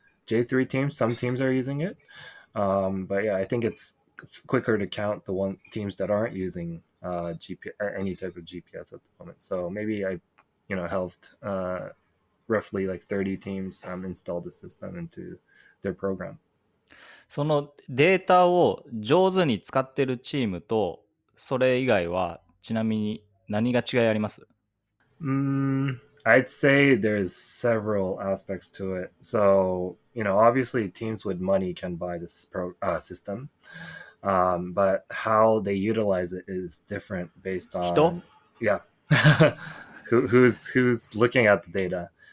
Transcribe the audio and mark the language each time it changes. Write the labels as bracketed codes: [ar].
[en] J3 teams, some teams are using it. But yeah, I think it's... quicker to count the one teams that aren't using GPS, any type of GPS at the moment. So maybe I you know, helped roughly like 30 teams install the system into their program. [ja] そのデータを上手に使ってるチームとそれ以外はちなみに何が違いあります？ [en] I'd say there's several aspects to it. So, you know, obviously teams with money can buy this system. But how they utilize it is different based on... [ja] 人? [en] Yeah. who's looking at the data?